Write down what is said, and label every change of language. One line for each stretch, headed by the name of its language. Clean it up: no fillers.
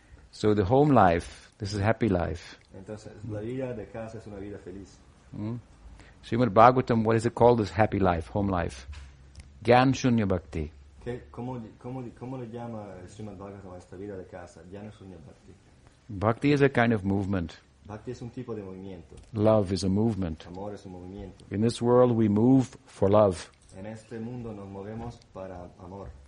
English: So the home life, this is a happy life.
Spanish: Entonces, la vida de casa es una vida feliz.
English: Srimad Bhagavatam, what is it called, this happy life, home life?
Sanskrit: Gyan Shunya Bhakti.
Spanish: ¿Cómo le llama Srimad Bhagavatam a esta vida de casa?
Sanskrit: Gyan Shunya Bhakti.
English: Bhakti is a kind of movement.
Spanish: Bhakti es un tipo de movimiento.
English: Love is a movement.
Spanish: Amor es un movimiento.
English: In this world we move for love.
Spanish: En este mundo nos movemos para amor.